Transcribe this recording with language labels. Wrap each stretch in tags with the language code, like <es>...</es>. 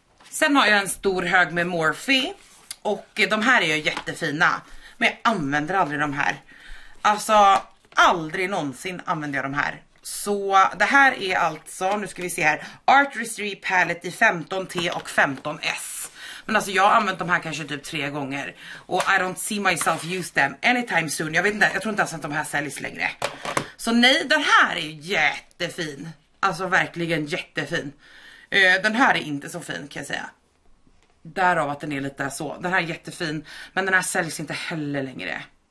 <sv>Sen har jag en stor hög med Morphe. Och de här är ju jättefina. Men jag använder aldrig de här. Alltså, aldrig någonsin använder jag de här. Så det här är alltså, nu ska vi se här, Artistry Palette i 15T och 15S. Men alltså jag har använt de här kanske typ 3 gånger. Och</sv> <en>I don't see myself use them anytime soon.</en> <sv>Jag vet inte, jag tror inte ens att de här säljs längre. Så nej, den här är jättefin. Alltså verkligen jättefin. Den här är inte så fin kan jag säga. Därav att den är lite så. Den här är jättefin, men den här säljs inte heller längre.</sv>